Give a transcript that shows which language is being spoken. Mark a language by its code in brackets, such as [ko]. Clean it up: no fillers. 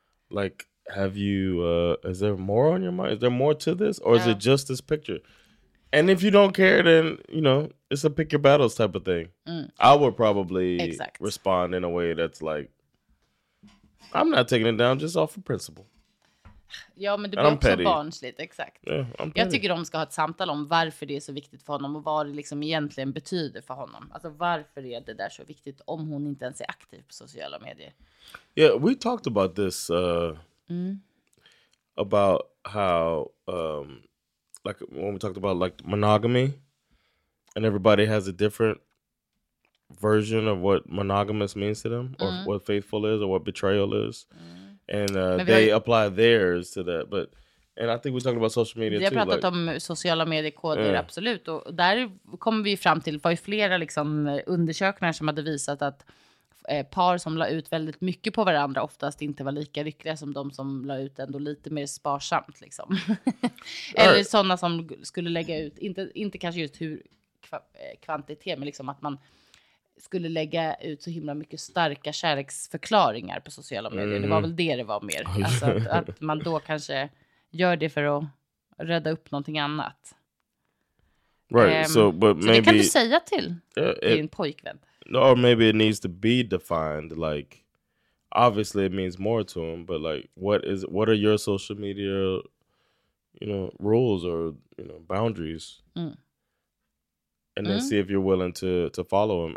[en] Like, have you... is there more on your mind? Is there more to this? Or is it just this picture? And if you don't care, then, you know, it's a pick your battles type of thing. Mm. I would probably respond in a way that's like... I'm not taking it down just off of principle. [sv] Ja, men det blir också barnsligt, exakt. [en] Yeah, [sv] jag tycker de ska ha ett samtal om varför det är så viktigt för honom och vad det liksom egentligen betyder för honom. Alltså varför är det där så viktigt om hon inte ens är aktiv på sociala medier? [en] Yeah, we talked about this about how like when we talked about like monogamy and everybody has a different version of what monogamous means to them or what faithful is or what betrayal is. And they apply theirs to that, but and I think we're talking about social media too. [sv] Vi har pratat om sociala mediekoder absolut, och där kommer vi fram till var ju flera liksom undersökningar som hade visat att par som la ut väldigt mycket på varandra oftast inte var lika lyckliga som de som la ut ändå lite mer sparsamt liksom. Eller sådana som skulle lägga ut inte kanske just hur kvantitet, men liksom att man skulle lägga ut så himla mycket starka kärleksförklaringar på sociala medier. Mm. Det var väl det var mer. Alltså att man då kanske gör det för att rädda upp någonting annat. [en] Right. So, but [sv] så [en] maybe, [sv] det kan du säga till din pojkvän. [en] Or maybe it needs to be defined. Like, obviously it means more to him, but like, what are your social media, you know, rules or, you know, boundaries? Mm. And then see if you're willing to follow them.